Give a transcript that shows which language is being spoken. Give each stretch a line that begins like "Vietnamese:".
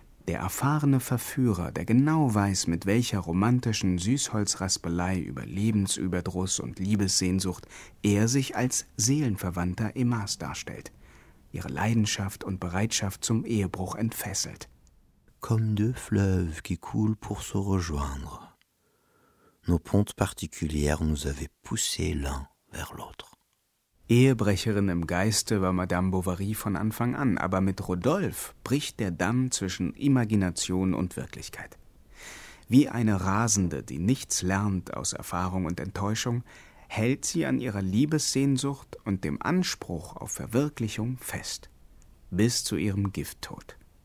German: Der erfahrene Verführer, der genau weiß, mit welcher romantischen Süßholzraspelei über Lebensüberdruss und Liebessehnsucht er sich als Seelenverwandter Emmas darstellt, ihre Leidenschaft und Bereitschaft zum Ehebruch entfesselt.
French: Comme deux fleuves qui coulent pour se rejoindre. Nos pontes particulières nous avaient poussé l'un vers l'autre.
German: Ehebrecherin im Geiste war Madame Bovary von Anfang an, aber mit Rodolphe bricht der Damm zwischen Imagination und Wirklichkeit. Wie eine Rasende, die nichts lernt aus Erfahrung und Enttäuschung, hält sie an ihrer Liebessehnsucht und dem Anspruch auf Verwirklichung fest, bis zu ihrem Gifttod.